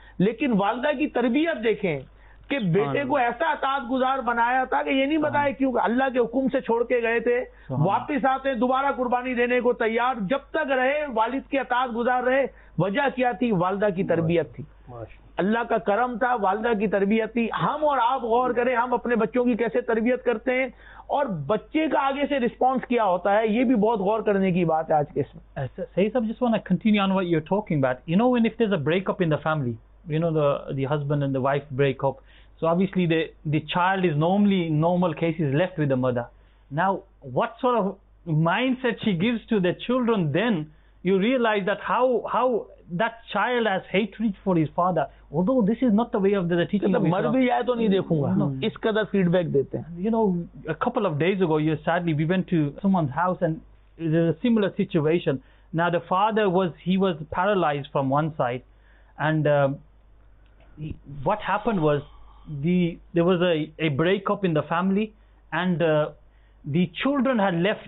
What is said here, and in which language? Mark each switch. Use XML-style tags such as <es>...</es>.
<ur>لیکن والدہ کی تربیت دیکھیں کہ بیٹے کو ایسا اطاعت گزار بنایا تھا کہ یہ نہیں بتایا, کیونکہ اللہ کے حکم سے چھوڑ کے گئے تھے, واپس آتے دوبارہ قربانی دینے کو تیار, جب تک رہے والد کے اطاعت گزار رہے. وجہ کیا تھی؟ والدہ کی تربیت تھی, اللہ کا کرم تھا, والدہ کی تربیت تھی. ہم اور آپ غور کریں, ہم اپنے بچوں کی کیسے تربیت کرتے ہیں اور بچے کا آگے سے رسپانس کیا ہوتا ہے, یہ بھی بہت غور کرنے کی بات ہے آج کے اس میں.</ur> <en>صحیح صاحب, just want to continue on what you are talking about, you know when if there is a break up in the family, you know the husband and the wife break up, so obviously the child is normally in normal cases left with the mother. Now what sort of mindset she gives to the children, then you realise that how that child has hatred for his father, although this is not the way of the teaching of Islam.</en> <ur>Mar bhi aaye to nahi dekhunga. Is kadar feedback dete hain.</ur> <en>You know, a couple of days ago, sadly, we went to someone's house and there's a similar situation. Now the father was paralyzed from one side, and what happened was there was a breakup in the family, and the children had left.</en>